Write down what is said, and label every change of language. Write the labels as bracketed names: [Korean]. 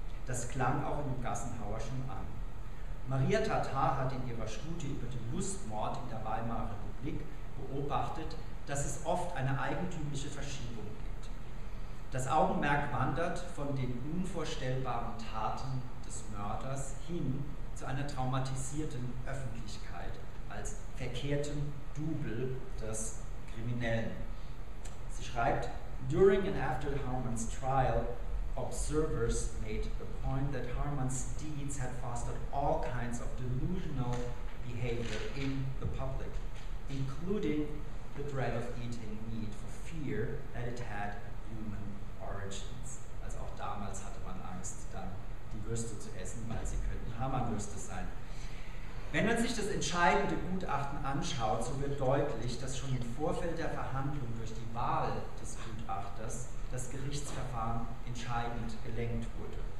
[German] Das klang auch in dem Gassenhauer schon an. Maria Tatar hat in ihrer Studie über den Lustmord in der Weimarer Republik beobachtet, dass es oft eine eigentümliche Verschiebung gibt. Das Augenmerk wandert von den unvorstellbaren Taten des Mörders hin zu einer traumatisierten Öffentlichkeit als verkehrtem Double des Kriminellen. Sie schreibt, [English] "During and after Harman's trial, observers made the point that Harman's deeds had fostered all kinds of delusional behavior in the public, including the dread of eating meat for fear that it had human origins." [German] Also auch damals hatte man Angst, dann die Würste zu essen, weil sie könnten Hamann-Würste sein. Wenn man sich das entscheidende Gutachten anschaut, so wird deutlich, dass schon im Vorfeld der Verhandlung durch die Wahl des Gutachters das Gerichtsverfahren entscheidend gelenkt wurde.